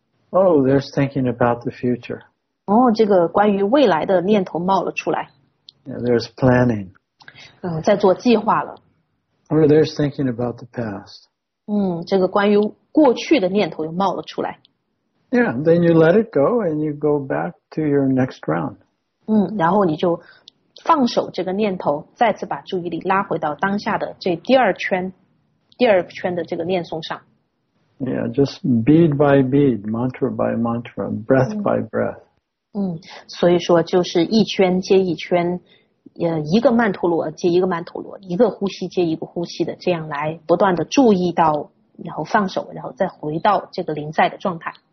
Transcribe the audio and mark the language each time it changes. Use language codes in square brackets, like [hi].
[en] Oh, there's thinking about the future. [zh] 哦，这个关于未来的念头冒了出来。 [en] Yeah, there's planning. [zh] 在做计划了。 [en] Or there's thinking about the past. [zh] 这个关于过去的念头又冒了出来。 [en] Yeah, then you let it go and you go back to your next round. [zh] 然后你就放手这个念头，再次把注意力拉回到当下的这第二圈的这个念诵上。 [en] Yeah, just bead by bead, mantra by mantra, breath by breath. [zh] 所以说就是一圈接一圈，一个曼陀罗接一个曼陀罗，一个呼吸接一个呼吸的，这样来不断的注意到然后放手，然后再回到这个临在的状态。